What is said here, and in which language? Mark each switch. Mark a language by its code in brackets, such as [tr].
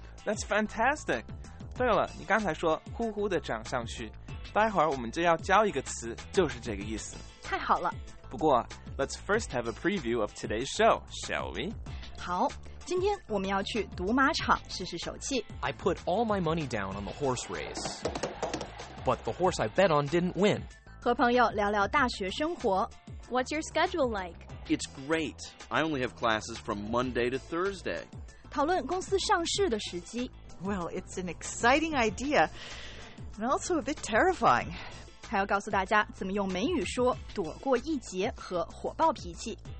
[en] That's fantastic。 [zh] 对了，你刚才说呼呼的涨上去，待会儿我们就要教一个词，就是这个意思。太好了。不过 [en] ，Let's first have a preview of today's show, shall we? [zh] 好，今天我们要去赌马场试试手气。 [en] I put all my money down on the horse race, but the horse I bet on didn't win. [zh] 和朋友聊聊大学生活。 [en] What's your schedule like? It's great. I only have classes from Monday to Thursday. [zh] 讨论公司上市的时机。 [en] Well, it's an exciting idea, and also a bit terrifying. [zh] 还要告诉大家怎么用美语说躲过一劫和火爆脾气。